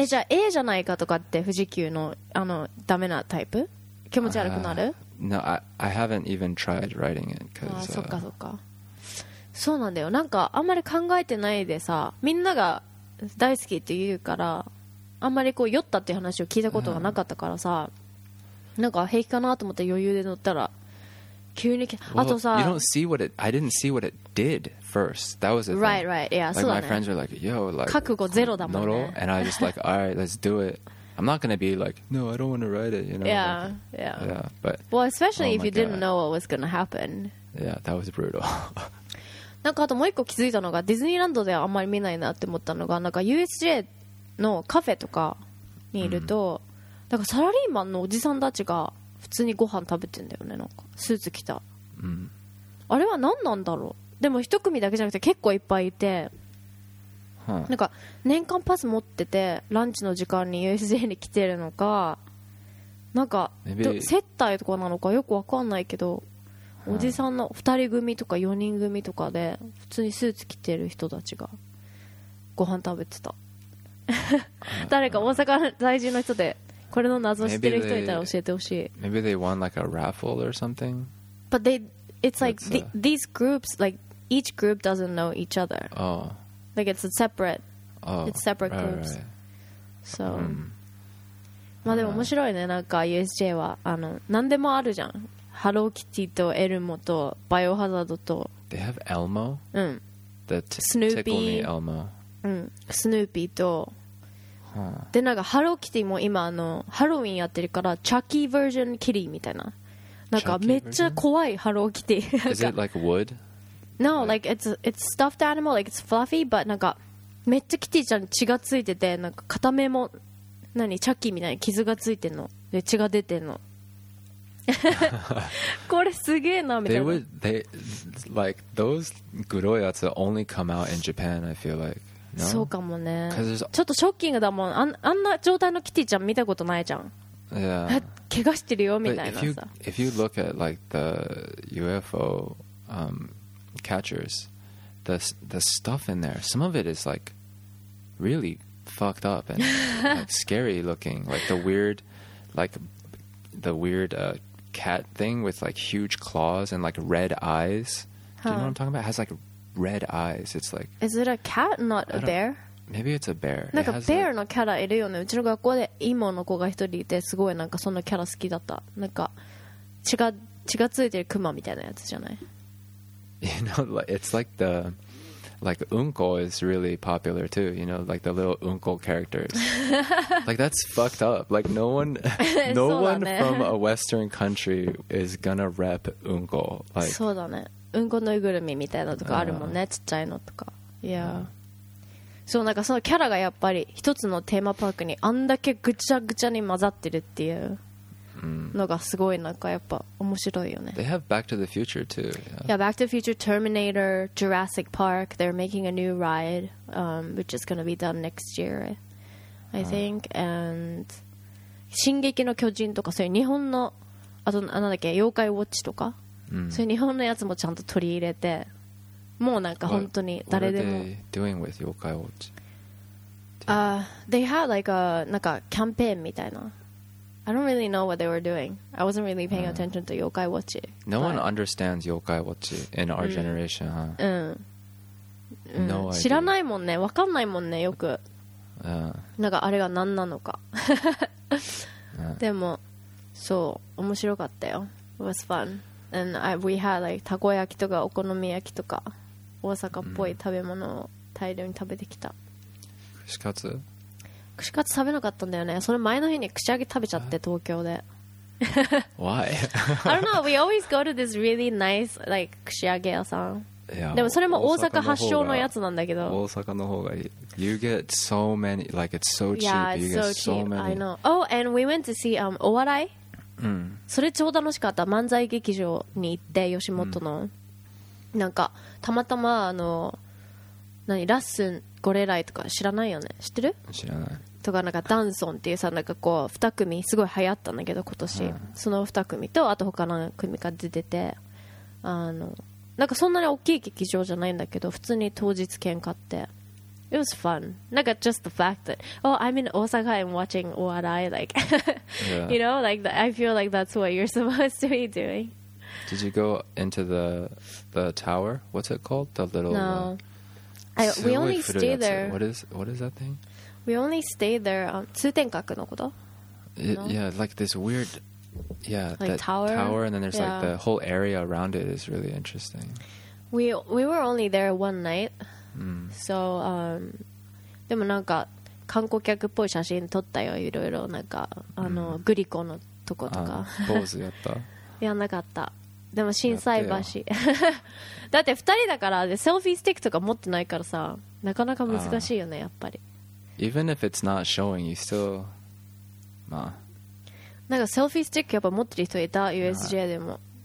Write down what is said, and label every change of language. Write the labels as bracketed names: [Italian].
[Japanese] じゃあ A じゃないかとかって富士急のあのダメなタイプ気持ち悪くなる [English] No, I haven't even tried writing it because, [Japanese] あ、そっかそっか。そうなんだよ。なんかあんまり考えてないでさ、みんなが大好きって言うからあんまりこう酔ったっていう話を聞いたことがなかったからさ、なんか平気かなと思って余裕で乗ったら急に、 [English] well, [Japanese] あとさ、 [English] you don't see what it, I didn't see what it did first. That was the thing. Right, right. Yeah, like, [Japanese] そうだね。 [English] My friends were like, yo, like, [Japanese] 覚悟ゼロだもんね。 [English] And I just like, all right, let's do it. I'm not going to be like, no, I don't want to write it, you know? Yeah, like, yeah. Yeah, but, well, especially if you didn't know what was going to happen. Yeah, that was brutal. [Japanese] なんかあともう一個気づいたのが、ディズニーランドではあんまり見ないなって思ったのが、なんか USJ のカフェとかにいると、なんかサラリーマンのおじさんたちが普通にご飯食べてんだよね、なんかスーツ着た、あれは何なんだろう。でも一組だけじゃなくて結構いっぱいいて、なんか年間パス持っててランチの時間に USJ に来てるのか、なんか接待とかなのかよくわかんないけど、おじさんの2人組とか4人組とかで普通にスーツ着てる人たちがご飯食べてた誰か大阪在住の人でこれの謎知ってる人いたら教えてほしい。 [English] maybe they won like a raffle or something, but they, it's like the, these groups, like each group doesn't know each other. Oh, like it's a separate, it's separate right, groups right. So [Japanese] まあでも面白いね。なんか USJ はあの何でもあるじゃん。ハローキティとエルモとバイオハザードと、 [English] They have Elmo? [Japanese] うん。 [English] The Snoopy Elmo。 [Japanese] うん。Snoopy と、でなんかハローキティも今あのハロウィンやってるからチャッキーバージョンキリーみたいな。なんかめっちゃ怖いハローキティ。 [English] Is it like wood? No, like it's stuffed animal, like it's fluffy, but [Japanese] なんかめっちゃキティちゃん血がついてて、なんか片目も何チャッキーみたいな傷がついてんの、で血が出てんの。これすげえなみたいな。 [English] They would, they, like, those [Japanese] グロいやつ [English] only come out in Japan, I feel like. No? [Japanese] そうかもね。ちょっとショッキングだもん。あんな状態のキティちゃん見たことないじゃん。 [English] Yeah. [Japanese] 怪我してるよみたいなさ。 [English] But if you look at like the UFO catchers, the stuff in there, some of it is like really fucked up and like, scary looking. Like the weird, cat thing with like huge claws and like red eyes. Do you know what I'm talking about? It has like red eyes. It's like, is it a cat, not a bear? Maybe it's a bear. [Japanese] なんかベアのキャラいるよね。うちの学校でイモの子が一人いて、すごいなんかそのキャラ好きだった。なんか血がついてるクマみたいなやつじゃない。 [English] You know, it's like the like Unko is really popular too. You know, like the little Unko characters. Like that's fucked up. Like no one from a Western country is gonna rep Unko. Like, [Japanese] そうだね。うんこぬいぐるみみたいなとかあるもんね。ちっちゃいのとか。 [English] Yeah. [Japanese] そう、なんかそのキャラがやっぱり一つのテーマパークにあんだけぐちゃぐちゃに混ざってるっていうのがすごい、なんかやっぱ面白いよね。 [English] They have Back to the Future too. Yeah, yeah, Back to the Future, Terminator, Jurassic Park. They're making a new ride, which is going to be done next year, I think. [Japanese] And 進撃の巨人とかそういう日本の、あとなんだっけ、妖怪ウォッチとか、そういう日本のやつもちゃんと取り入れて、もうなんか本当に誰でも。 [English] What are they doing with 妖怪ウォッチ? They had like a [Japanese] なんかキャンペーンみたいな。 [English] I don't really know what they were doing. I wasn't really paying attention to 妖怪ウォッチ. No one understands 妖怪ウォッチ in our generation, huh? No idea. [Japanese] 知らないもんね。わかんないもんね、よく。なんかあれが何なのか。でも、そう、面白かったよ。 [English] It was fun. And we had like [Japanese] たこ焼きとかお好み焼きとか大阪っぽい食べ物を大量に食べてきた。串カツ？串カツ食べなかったんだよね。それ前の日に串揚げ食べちゃって東京で。 [English] Why? I don't know. We always go to this really nice like 串揚げ屋さん。 Yeah, [Japanese] でもそれも大阪発祥のやつなんだけど。大阪の方がいい。 [English] You get so many like it's so cheap. Yeah, it's you get so cheap. So many. I know. Oh, and we went to see お笑い。 [Japanese] それ超楽しかった。漫才劇場に行って吉本の、なんかたまたまあの何ラッスンゴレライとか知らないよね。知ってる？知らない。とかなんかダンソンっていうさ、なんかこう2組すごい流行ったんだけど今年、その2組とあと他の組が出てて、あのなんかそんなに大きい劇場じゃないんだけど普通に当日券買って [English] It was fun. Like, just the fact that, oh, I'm in Osaka and watching Owarai, like, yeah. You know, like, I feel like that's what you're supposed to be doing. Did you go into the tower? What's it called? The little... No. We only stay there. What is that thing? We only stay there. Tsutenkaku no koto? Yeah, like this weird... Yeah, like that tower. Tower, and then there's like the whole area around it is really interesting. We were only there one night. [Japanese] So, でもなんか観光客っぽい写真撮ったよ。いろいろなんかあのグリコのとことか。ポーズやった？やんなかった。でも心斎橋。っだって二人だからでセルフィースティックとか持ってないからさ、なかなか難しいよねやっぱり。 [English] Even if it's not showing, you still, まあ。 [Japanese] なんかセルフィースティックやっぱ持ってる人いた USJ でも。